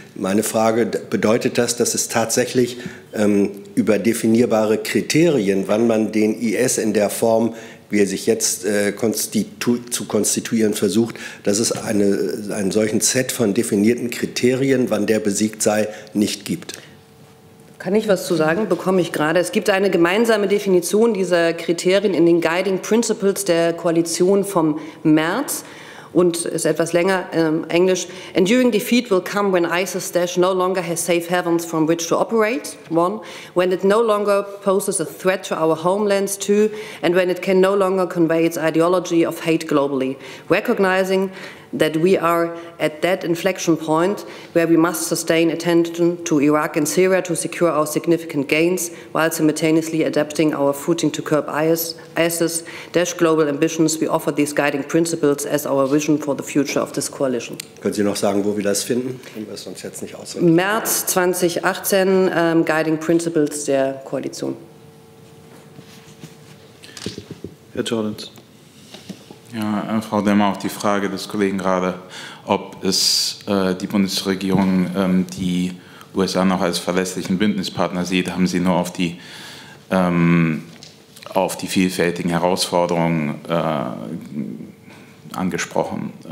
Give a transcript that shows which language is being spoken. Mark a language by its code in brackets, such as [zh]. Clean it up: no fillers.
[de] Meine Frage, bedeutet das, dass es tatsächlich über definierbare Kriterien, wann man den IS in der Form, wie er sich jetzt zu konstituieren versucht, dass es einen solchen Set von definierten Kriterien, wann der besiegt sei, nicht gibt? Kann ich was zu sagen? Bekomme ich gerade. Es gibt eine gemeinsame Definition dieser Kriterien in den Guiding Principles der Koalition vom März. Und ist etwas länger Englisch. [en] Enduring defeat will come when ISIS Daesh no longer has safe havens from which to operate. One, when it no longer poses a threat to our homelands. Two, and when it can no longer convey its ideology of hate globally. Recognizing that we are at that inflection point where we must sustain attention to Iraq and Syria to secure our significant gains while simultaneously adapting our footing to curb ISIS, Daesh global ambitions, we offer these guiding principles as our vision for the future of this coalition. [de] Können Sie noch sagen, wo wir das finden, wenn wir es uns jetzt nicht auswendig? März 2018, Guiding Principles der Koalition. Herr Jordans. Ja, Frau Demmer, auch die Frage des Kollegen gerade, ob es die Bundesregierung die USA noch als verlässlichen Bündnispartner sieht, haben Sie nur auf die vielfältigen Herausforderungen angesprochen.